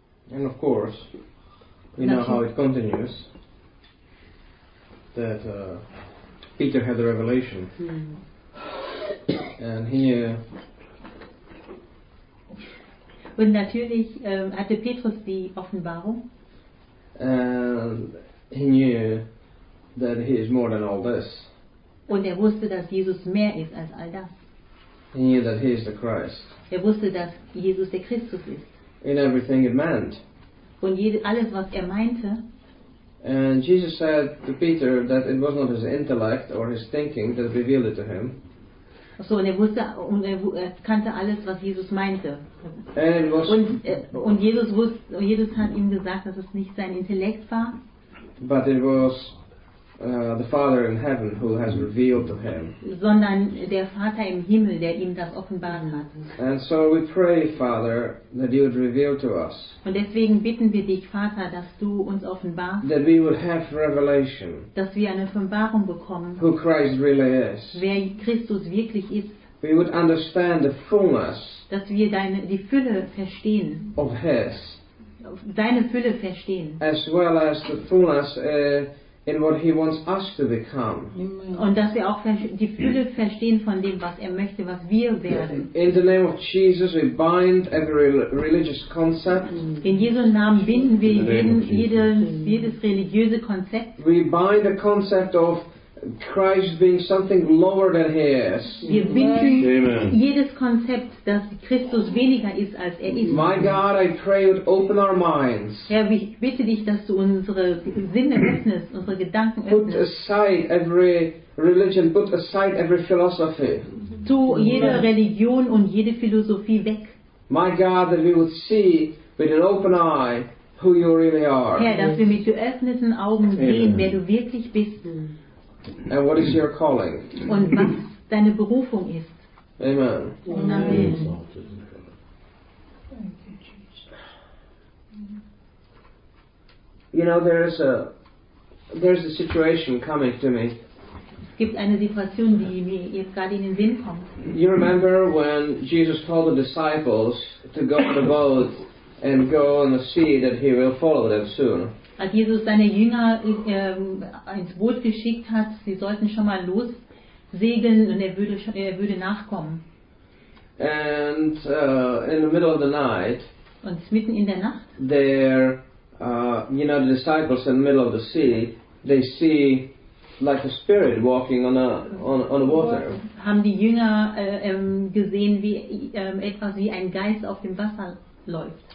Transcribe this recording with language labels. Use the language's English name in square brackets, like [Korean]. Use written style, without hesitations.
[English] And of course, we know how it continues, that Peter had the revelation, and he... [German] Und natürlich hatte Petrus die Offenbarung. [English] And he knew that he is more than all this. [German] Und er wusste, dass Jesus mehr ist als all das. [English] He knew that he is the Christ. [German] Er wusste, dass Jesus der Christus ist. [English] In everything it meant. [German] Und alles, was er meinte. [English] And Jesus said to Peter that it was not his intellect or his thinking that revealed it to him. [German] So, und er wusste und er kannte alles, was Jesus meinte. [English] And it was, [German] und Jesus wusste, Jesus hat ihm gesagt, dass es nicht sein Intellekt war. [English] But it was the Father in heaven who has revealed to him. [German] Sondern der Vater im Himmel, der ihm das offenbaren hat. [English] And so we pray, Father, that you would reveal to us. [German] Und deswegen bitten wir dich, Vater, dass du uns offenbarst. [English] That we would have revelation. [German] Dass wir eine Offenbarung bekommen. [English] Who Christ really is. [German] Wer Christus wirklich ist. [English] We would understand the fullness. [German] Dass wir die Fülle verstehen. [English] Of his. [German] Deine Fülle verstehen. [English] As well as the fullness. In what he wants us to become. [German] Und dass wir auch die Fülle verstehen von dem, was er möchte, was wir werden. [English] In the name of Jesus, we bind every religious concept. [German] In Jesu Namen binden wir jedes religiöse Konzept. [English] We bind the concept of Christ being something lower than he is. [German] Wir binden jedes Konzept, dass Christus weniger ist, als er ist. [English] My God, I pray you open our minds. [German] Herr, ich bitte dich, dass du unsere Sinne öffnest, unsere Gedanken öffnest. [English] Put aside every religion, put aside every philosophy. [German] Tu jede Religion und jede Philosophie weg. [English] My God, that we would see with an open eye who you really are. [German] Herr, dass wir mit geöffneten Augen sehen, wer du wirklich bist. [English] And what is your calling? [German] Und was deine Berufung ist. [English] Amen. [German] Amen. [English] You know, there's a situation coming to me. [German] Es gibt eine Situation, die mir jetzt gerade in den Sinn kommt. [English] You remember when Jesus told the disciples to go on the boat and go on the sea that he will follow them soon. [German] Als Jesus seine Jünger ins Boot geschickt hat, sie sollten schon mal los segeln und er würde nachkommen. [English] And in the middle of the night. [German] Und mitten in der Nacht. [English] There, you know, the disciples in the middle of the sea, they see like a spirit walking on the water. [German] Haben die Jünger gesehen, wie etwas wie ein Geist auf dem Wasser läuft.